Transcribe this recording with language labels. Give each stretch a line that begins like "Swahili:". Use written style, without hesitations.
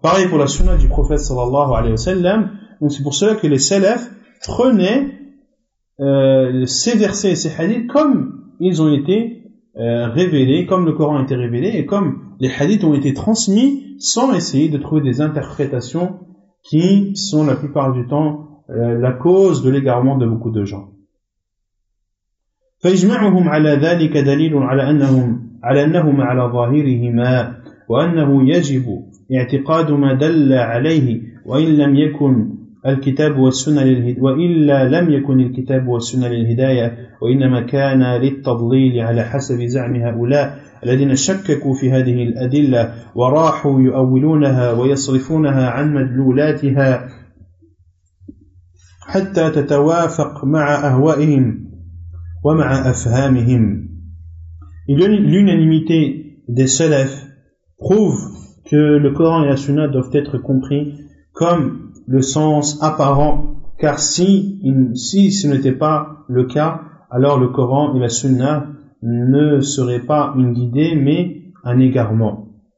French: Pareil pour la sunna du prophète sallallahu alayhi wa sallam. Donc c'est pour cela que les salafs prenaient ces versets et ces hadiths comme ils ont été révélés, comme le Coran a été révélé et comme les hadiths ont été transmis, sans essayer de trouver des interprétations qui sont la plupart du temps la cause de l'égarement de beaucoup de gens.
Arabic: فيجمعهم على ذلك دليل على أنهم على أنهما على ظاهرهما وأنه يجب اعتقاد ما دل عليه وإن لم يكن الكتاب والسنة وإلا لم يكن الكتاب والسنة للهداية وإنما كان للتضليل على حسب زعم هؤلاء الذين شككوا في هذه الأدلة وراحوا يؤولونها ويصرفونها عن مدلولاتها حتى تتوافق مع أهوائهم ومع أفهامهم.
French: L'unanimité des salafs prouve que le Coran et la Sunna doivent être compris comme le sens apparent, car si ce n'était pas le cas, alors le Coran et la Sunna ne seraient pas une guidée, mais un égarement.